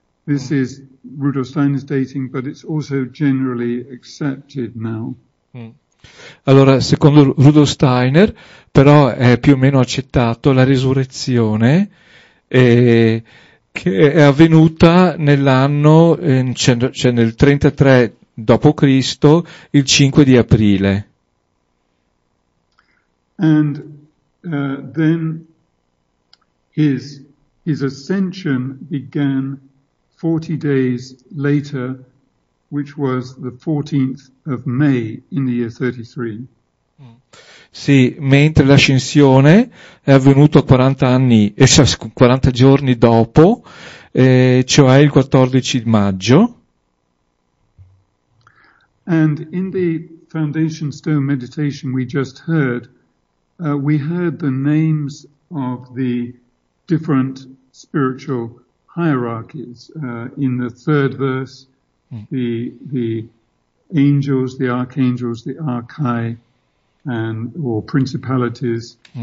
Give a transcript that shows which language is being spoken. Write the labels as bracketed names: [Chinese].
[English] This is Rudolf Steiner's dating, but it's also generally accepted now. [Italian] Allora, secondo Rudolf Steiner, però è più o meno accettato la risurrezione che è avvenuta nell'anno, cioè nel 33 dopo Cristo, il 5 di aprile. [English] And then his ascension began 40 days later, which was the 14th of May in the year 33. [Italian] Sì, mentre l'ascensione è avvenuto 40 anni, 40 giorni dopo, cioè il 14 maggio. [English] And in the Foundation Stone meditation we just heard, we heard the names of the different spiritual hierarchies. In the third verse, the angels, the archangels, the archai, and or principalities.